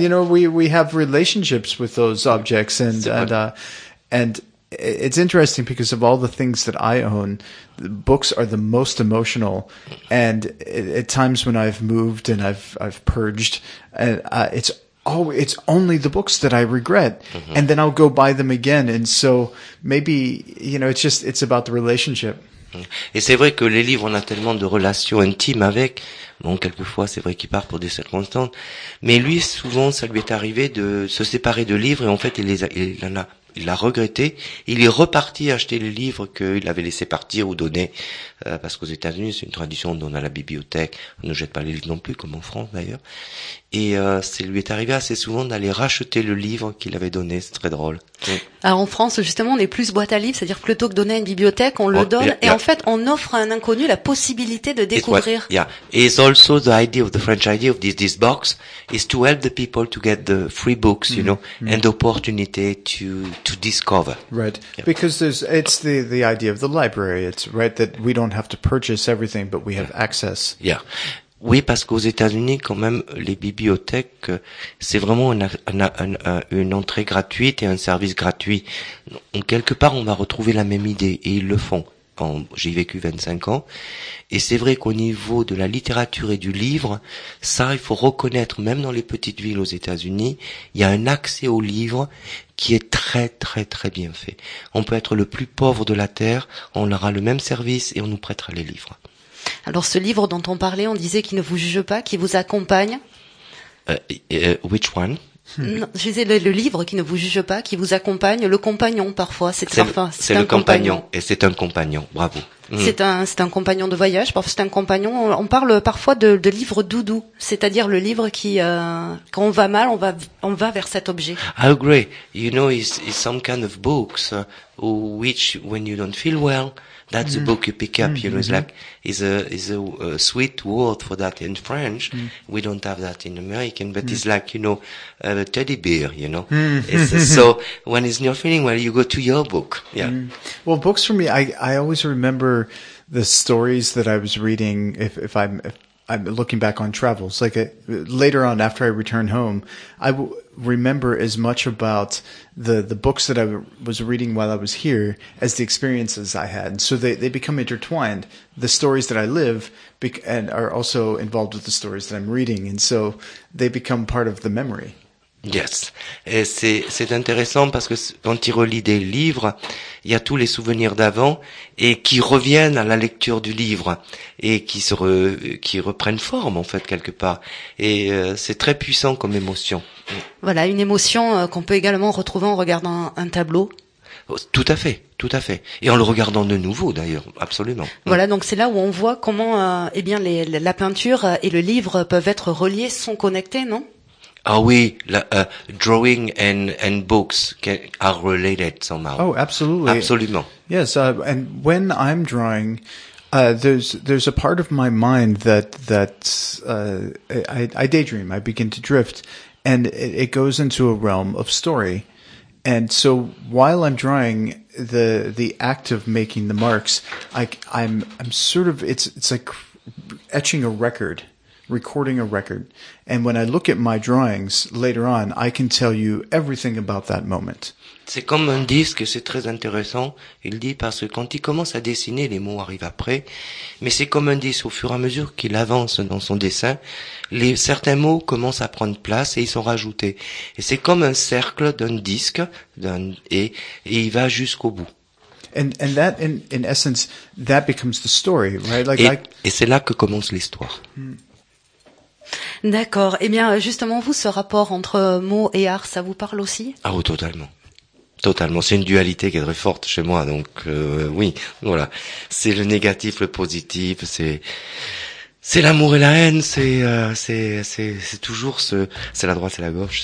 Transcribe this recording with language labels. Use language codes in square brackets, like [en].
[en] You know, we have relationships with those objects, and it's interesting because of all the things that I own, books are the most emotional. And at times when I've moved and I've purged, it's only the books that I regret. Mm-hmm. And then I'll go buy them again. And so maybe, you know, it's about the relationship. [fr] Et c'est vrai que les livres, on a tellement de relations intimes avec. Bon, quelquefois, c'est vrai qu'il part pour des circonstances. Mais lui, souvent, ça lui est arrivé de se séparer de livres. Et en fait, il a regretté. Il est reparti acheter les livres qu'il avait laissé partir ou donner. Parce qu'aux États-Unis, c'est une tradition, on donne à la bibliothèque. On ne jette pas les livres non plus, comme en France, d'ailleurs. Et ça lui est arrivé assez souvent d'aller racheter le livre qu'il avait donné. C'est très drôle. Oui. Alors en France, justement, on est plus boîte à livres. C'est-à-dire, plutôt que donner à une bibliothèque, on le donne. Et en fait, on offre à un inconnu la possibilité de découvrir. [en] It's also the idea of the French idea of this box is to help the people to get the free books, you know, and the opportunity to discover. Right. Yeah. Because it's the idea of the library. It's right that we don't have to purchase everything, but we have access. Yeah. [fr] Oui, parce qu'aux États-Unis, quand même, les bibliothèques, c'est vraiment une entrée gratuite et un service gratuit. Quelque part, on va retrouver la même idée, et ils le font. J'y ai vécu 25 ans, et c'est vrai qu'au niveau de la littérature et du livre, ça, il faut reconnaître, même dans les petites villes aux États-Unis, il y a un accès aux livres qui est très, très, très bien fait. On peut être le plus pauvre de la terre, on aura le même service et on nous prêtera les livres. Alors, ce livre dont on parlait, on disait qu'il ne vous juge pas, qu'il vous accompagne. [en] Which one? [fr] Non, je disais le livre qui ne vous juge pas, qui vous accompagne, le compagnon parfois. C'est un compagnon. Bravo. C'est un compagnon de voyage. Parfois, c'est un compagnon. On parle parfois de livre doudou, c'est-à-dire le livre qui, quand on va mal, on va vers cet objet. [en] I agree. You know, it's some kind of books which, when you don't feel well. That's the book you pick up, you know, it's like, is a sweet word for that in French. We don't have that in American, but it's like, you know, a teddy bear, you know. So when it's not feeling well, you go to your book. Yeah. Well, books for me, I always remember the stories that I was reading if I'm looking back on travels, like later on after I return home, I will remember as much about the books that I was reading while I was here as the experiences I had. So they become intertwined. The stories that I live and are also involved with the stories that I'm reading. And so they become part of the memory. Yes. [fr] Et c'est intéressant parce que quand il relit des livres, il y a tous les souvenirs d'avant et qui reviennent à la lecture du livre et qui reprennent forme, en fait, quelque part. Et c'est très puissant comme émotion. Voilà, une émotion qu'on peut également retrouver en regardant un tableau. Tout à fait, tout à fait. Et en le regardant de nouveau, d'ailleurs, absolument. Voilà, donc c'est là où on voit comment, la peinture et le livre peuvent être reliés, sont connectés, non? Ah oui, [en] drawing and books are related somehow. Oh, absolutely. [fr] Absolument. [en] Yes, and when I'm drawing, there's a part of my mind that I daydream, I begin to drift, and it goes into a realm of story. And so while I'm drawing, the act of making the marks, I'm sort of, it's like etching a record. Recording a record, and when I look at my drawings later on, I can tell you everything about that moment. [fr] C'est comme un disque, c'est très intéressant. Il dit parce que quand il commence à dessiner, les mots arrivent après. Mais c'est comme un disque. Au fur et à mesure qu'il avance dans son dessin, certains mots commencent à prendre place et ils sont rajoutés. Et c'est comme un cercle d'un disque, et il va jusqu'au bout. [en] And that in essence, that becomes the story, right? [fr] Et c'est là que commence l'histoire. D'accord. Eh bien, justement, vous, ce rapport entre mots et art, ça vous parle aussi? Ah oui, totalement. Totalement. C'est une dualité qui est très forte chez moi. Donc, oui, voilà. C'est le négatif, le positif. C'est l'amour et la haine. C'est toujours la droite et la gauche.